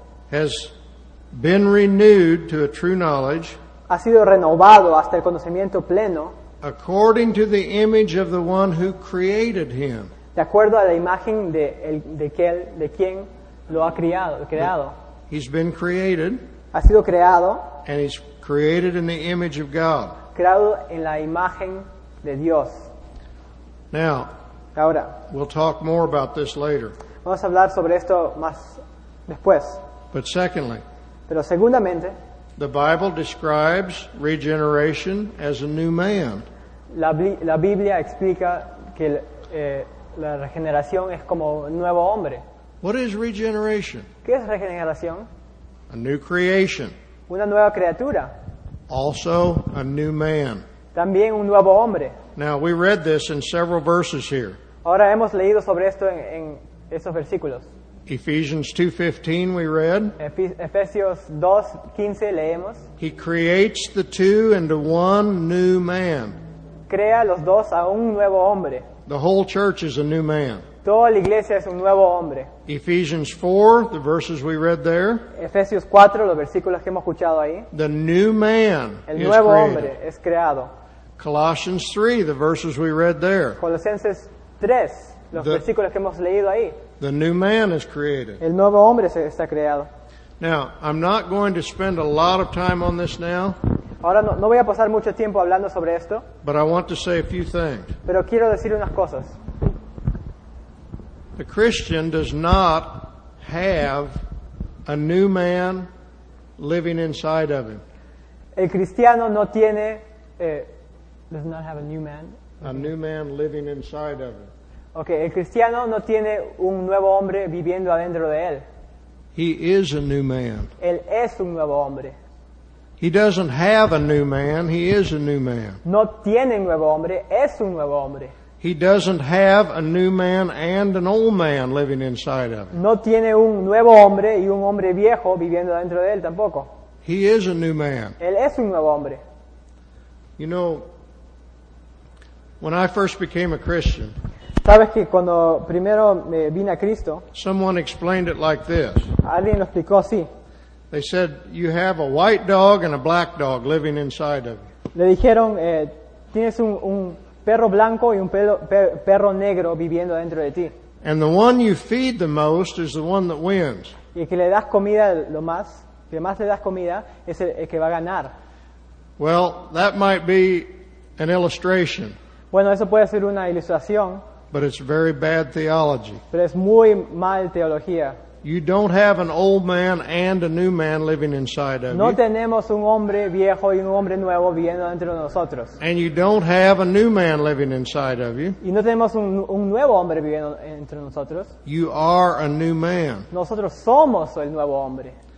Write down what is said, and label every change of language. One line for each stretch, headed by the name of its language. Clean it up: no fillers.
English: has been renewed to a true knowledge,
Spanish: ha sido renovado hasta el conocimiento pleno,
English: according to the image of the one who created him,
Spanish: de acuerdo a la imagen de quien lo ha creado.
English: He's been created,
Spanish: ha sido creado,
English: and he's created in the image of God,
Spanish: creado en la imagen de Dios.
English: Now,
Spanish: ahora,
English: we'll talk more about this later.
Spanish: Vamos a hablar sobre esto más después.
English: But secondly,
Spanish: pero segundamente,
English: the Bible describes regeneration as a new man.
Spanish: La Biblia explica que la regeneración es como un nuevo hombre.
English: What is regeneration?
Spanish: ¿Qué es regeneración?
English: A new creation.
Spanish: Una nueva criatura.
English: Also a new man.
Spanish: También un nuevo hombre.
English: Now we read this in several verses here.
Spanish: Ahora hemos leído sobre esto en esos versículos.
English: Ephesians 2:15 we read.
Spanish: Efesios 2:15 leemos.
English: He creates the two into one new man.
Spanish: Crea los dos a un nuevo hombre.
English: The whole church is a new man.
Spanish: Toda la iglesia es un nuevo hombre.
English: Ephesians 4, the verses we read there.
Spanish: Efesios 4, los versículos que hemos escuchado ahí.
English: The new man,
Spanish: el nuevo hombre es creado.
English: Colossians 3, the verses we read there.
Spanish: Colosenses 3, los versículos que hemos leído ahí.
English: The new man is created.
Spanish: El nuevo hombre está creado.
English: Now, I'm not going to spend a lot of time on this now.
Spanish: Ahora no voy a pasar mucho tiempo hablando sobre esto.
English: But I want to say a few things.
Spanish: Pero quiero decir unas cosas.
English: The Christian does not have a new man living inside of him.
Spanish: El cristiano no tiene
English: does not have a new man. A new man living inside of him.
Spanish: Okay, el cristiano no tiene un nuevo hombre viviendo adentro de él.
English: He is a new man.
Spanish: Él es un nuevo hombre.
English: He doesn't have a new man, he is a new man.
Spanish: No tiene nuevo hombre, es un nuevo hombre.
English: He doesn't have a new man and an old man living inside of him.
Spanish: No tiene un nuevo hombre y un hombre viejo viviendo dentro de él tampoco.
English: He is a new man.
Spanish: Él es un nuevo hombre.
English: You know, when I first became a Christian,
Spanish: ¿sabes que cuando primero me vine a Cristo,
English: someone explained it like this.
Spanish: Alguien lo explicó así.
English: They said, you have a white dog and a black dog living inside of you.
Spanish: Le dijeron, tienes un perro blanco y un perro negro viviendo dentro de ti.
English: And the one you feed the most is the one that wins.
Spanish: Y el que le das comida lo más, que más le das comida es el que va a ganar.
English: Well, that might be an illustration.
Spanish: Bueno, eso puede ser una ilustración.
English: But it's very bad theology.
Spanish: Pero es muy mal teología.
English: You don't have an old man and a new man living inside of you.
Spanish: No tenemos un hombre viejo y un hombre nuevo viviendo dentro de nosotros.
English: And you don't have a new man living inside of you.
Spanish: Y no tenemos un nuevo hombre viviendo entre nosotros.
English: You are a new man.
Spanish: Nosotros somos el nuevo hombre.